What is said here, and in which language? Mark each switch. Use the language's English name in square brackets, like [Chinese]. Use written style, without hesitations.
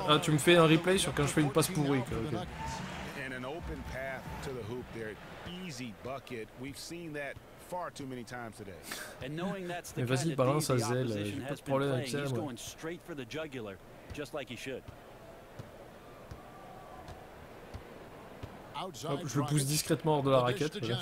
[French] Ah, tu me fais un replay sur quand je fais une passe pourrie. Quoi. Okay. [English] And an open path to the hoop there. Easy bucket. We've seen that far too many times today. And knowing that's the [French] vas-y, balance à Zell. J'ai pas de problème avec Zell. [English] He's going straight for the jugular, just like he should. [French] Hop, je le pousse discrètement hors de la raquette.